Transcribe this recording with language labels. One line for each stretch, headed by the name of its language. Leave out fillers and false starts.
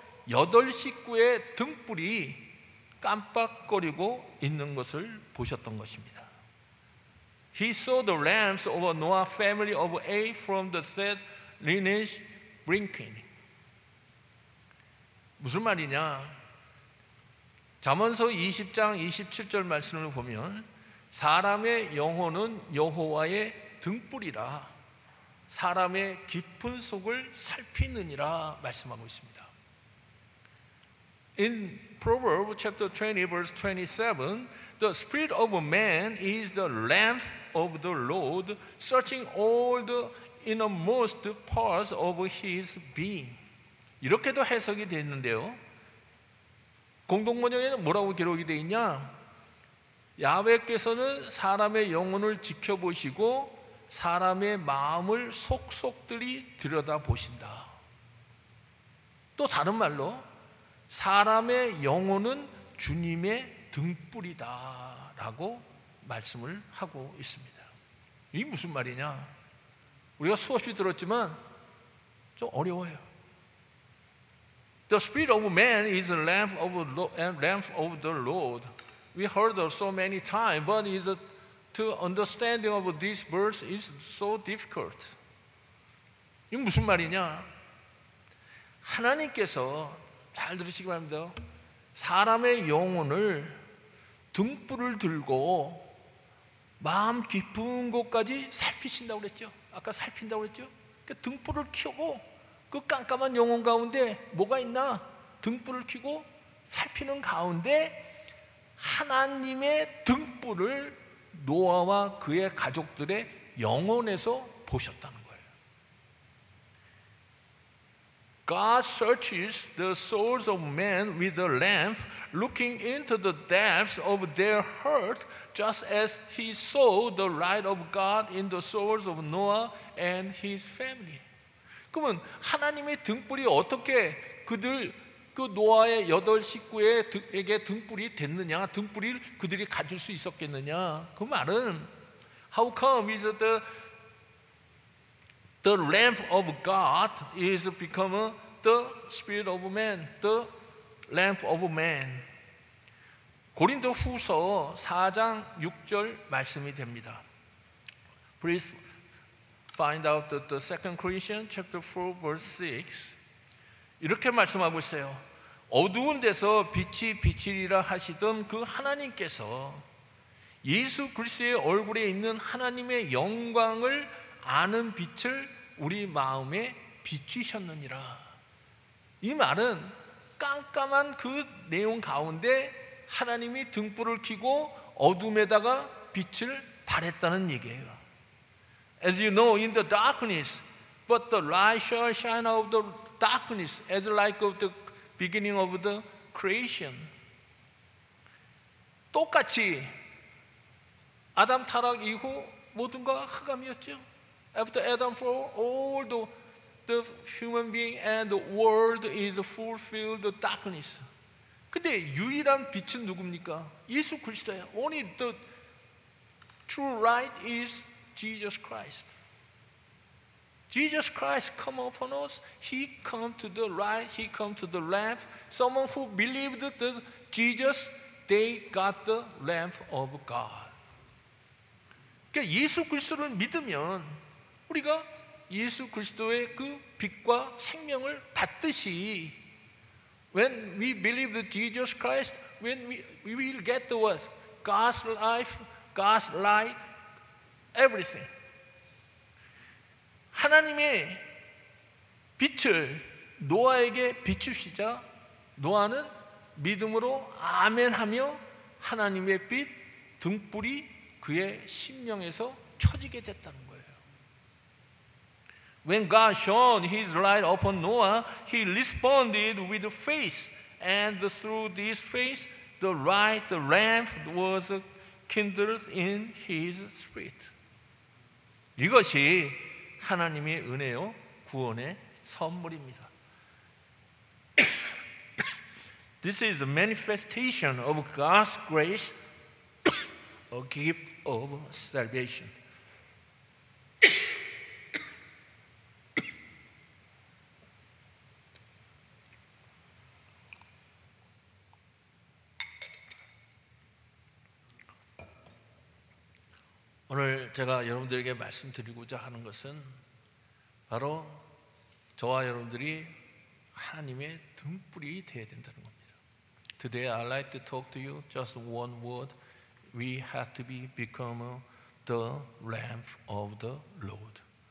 Korean: 여덟 식구의 등불이 깜빡거리고 있는 것을 보셨던 것입니다.
English: He saw the lamps of Noah's family of eight from the Seth lineage blinking.
Korean: 무슨 말이냐? 잠언서 20장 27절 말씀을 보면 사람의 영혼은 여호와의 등불이라 사람의 깊은 속을 살피느니라 말씀하고 있습니다. In Proverbs chapter 20 verse 27, the spirit of man is the lamp of the Lord, searching all the innermost parts of his being. 이렇게도 해석이 되어 있는데요. 공동번역에는 뭐라고 기록이 되어 있냐? 야훼께서는 사람의 영혼을 지켜보시고 사람의 마음을 속속들이 들여다보신다. 또 다른 말로 사람의 영혼은 주님의 등불이다 라고 말씀을 하고 있습니다. 이게 무슨 말이냐? 우리가 수없이 들었지만 좀 어려워요.
English: The spirit of man is a lamp of lamp of the Lord. We heard of so many times, but is to understanding of this verse is so difficult.
Korean: 이게 무슨 말이냐? 하나님께서 잘 들으시기 바랍니다. 사람의 영혼을 등불을 들고 마음 깊은 곳까지 살피신다고 그랬죠. 아까 살핀다고 그랬죠. 그러니까 등불을 켜고 그 깜깜한 영혼 가운데 뭐가 있나? 등불을 켜고 살피는 가운데 하나님의 등불을 노아와 그의 가족들의 영혼에서 보셨다는 거예요. God searches the souls of men with a lamp, looking into the depths of their heart, just as he saw the light of God in the souls of Noah and his family. 그러면 하나님의 등불이 어떻게 그들 그 노아의 여덟 식구에게 등불이 됐느냐? 등불을 그들이 가질 수 있었겠느냐? 그 말은
English: How come is the lamp of God is become the spirit of man, the lamp of man?
Korean: 고린도 후서 4장 6절 말씀이 됩니다.
English: Please find out the second Corinthians chapter 4 verse 6.
Korean: 이렇게 말씀하고 있어요. 어두운 데서 빛이 비치리라 하시던 그 하나님께서 예수 그리스도의 얼굴에 있는 하나님의 영광을 아는 빛을 우리 마음에 비추셨느니라. 이 말은 깜깜한 그 내용 가운데 하나님이 등불을 켜고 어둠에다가 빛을 발했다는 얘기예요.
English: As you know, in the darkness, but the light shall shine out of the darkness as like of the beginning of the creation.
Korean: 똑같이 아담 타락 이후 모든 것 흑암이었죠.
English: After Adam fall, all the human being and the world is fulfilled the darkness.
Korean: 근데 유일한 빛은 누굽니까? 예수 그리스도예요.
English: Only the true light is Jesus Christ. Jesus Christ come upon us. He come to the light. He come to the lamp. Someone who believed the Jesus, they got the lamp of God.
Korean: 그러니까 예수 그리스도를 믿으면 우리가 예수 그리스도의 그 빛과 생명을 받듯이
English: when we believe the Jesus Christ, when we will get the what? God's life, God's light, everything.
Korean: 하나님의 빛을 노아에게 비추시자 노아는 믿음으로 아멘하며 하나님의 빛 등불이 그의 심령에서 켜지게 됐다는 거예요.
English: When God shone his light upon Noah, he responded with faith, and through this faith the light, the lamp was kindled in his spirit.
Korean: 이것이 하나님의 은혜요, 구원의 선물입니다.
English: This is a manifestation of God's grace, a gift of salvation.
Korean: 오늘 제가 여러분들에게 말씀드리고자 하는 것은 바로 저와 여러분들이 하나님의 등불이 되어야 된다는 겁니다.
English: Today I'd like to talk to you just one word. We have to become the lamp of the Lord.